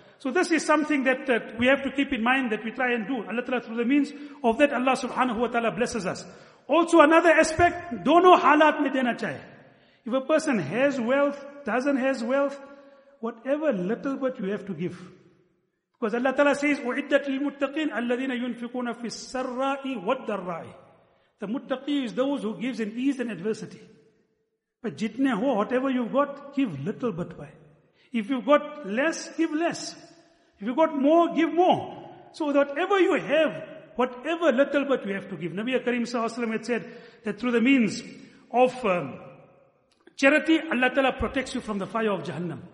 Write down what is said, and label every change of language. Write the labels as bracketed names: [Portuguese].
[English] So this is something that we have to keep in mind that we try and do. Allah Ta'ala, through the means of that, Allah subhanahu wa ta'ala blesses us. Also another aspect, [Hindi] dono halat mein dena chahe. [English] If a person has wealth, doesn't has wealth, whatever little bit you have to give. Because Allah Ta'ala says, [Arabic] وَعِدَّتْ لِلْمُتَّقِينَ الَّذِينَ يُنْفِقُونَ فِي السَّرَّاءِ وَالدَّرَّاءِ. [English] The muttaqi is those who gives in ease and adversity. But [Hindi] jitne ho, [English] whatever you've got, give little bit by. If you've got less, give less. If you've got more, give more. So whatever you have, whatever little bit you have to give. Nabi Karim sallallahu alayhi wa sallam had said that through the means of charity, Allah Ta'ala protects you from the fire of Jahannam.